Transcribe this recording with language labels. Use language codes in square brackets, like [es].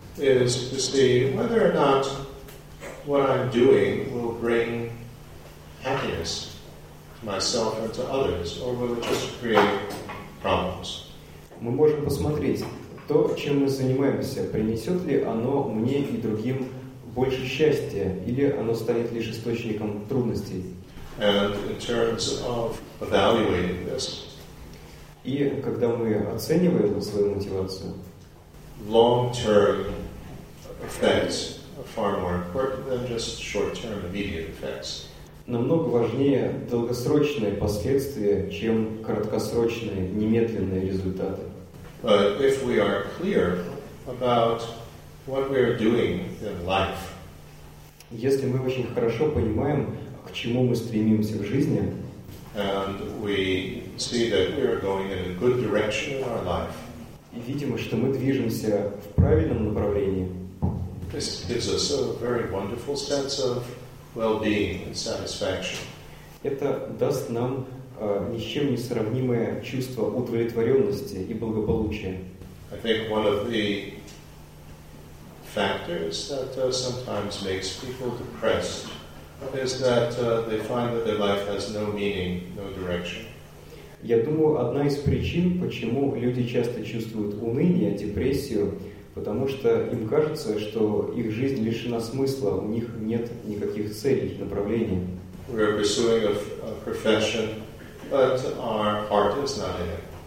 [en] Is to see whether or not what I'm doing will bring happiness to myself or to others, or will it just create problems. [ru] Мы можем посмотреть, то, чем мы занимаемся, принесет ли оно мне и другим больше счастья, или оно станет лишь источником трудностей. [en] And in terms of evaluating this, [ru] и когда мы оцениваем свою мотивацию, [en] long-term effects are far more important than just short-term immediate effects. [ru] Намного важнее долгосрочные последствия, чем краткосрочные немедленные результаты. [en] But if we are clear about what we are doing in life, [ru] если мы очень хорошо понимаем, к чему мы стремимся в жизни, [en] and we see that we are going in a good direction in our life. [ru] И видимо, что мы движемся в правильном направлении. [en] This gives us a very wonderful sense of well-being and satisfaction. [ru] Это даст нам ни с чем не сравнимое чувство удовлетворенности и благополучия. [en] I think one of the factors that sometimes makes people depressed is that they find that their life has no meaning, no direction. [ru] Я думаю, одна из причин, почему люди часто чувствуют уныние, депрессию, потому что им кажется, что их жизнь лишена смысла, у них нет никаких целей, направлений. [en] We are pursuing a profession, but our heart is not in it.